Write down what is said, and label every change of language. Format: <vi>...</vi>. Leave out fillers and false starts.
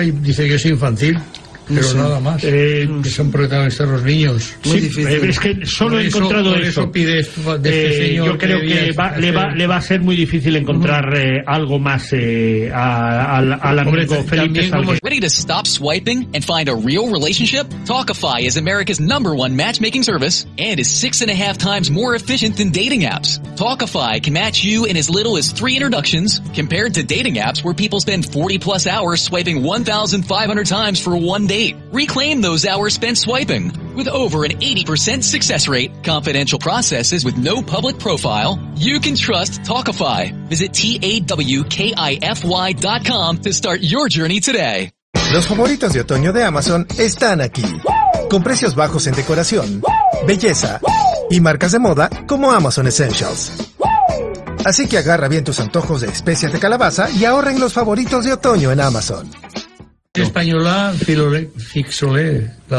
<es>Y dice que es infantil, pero no sé, nada más, que son protagonistas los niños. Sí, es que solo he encontrado eso. Por eso pide señor, yo creo que le va a ser muy difícil encontrar algo más al amigo Felipe Salguero.</es> <en>Ready to stop swiping and find a real relationship? Talkify is America's number one matchmaking service and is 6.5 times more efficient than dating apps. Talkify can match you in as little as 3 introductions compared to dating apps where people spend 40 plus hours swiping 1,500 times for one date. Reclaim those hours spent swiping. With over an 80% success rate, confidential processes with no public profile, you can trust Talkify. Visit TAWKIFY.com to start your journey today.</en> <es>Los favoritos de otoño de Amazon están aquí. Con precios bajos en decoración, belleza y marcas de moda como Amazon Essentials. Así que agarra bien tus antojos de especias de calabaza y ahorra en los favoritos de otoño en Amazon. Española, Fixole.</es>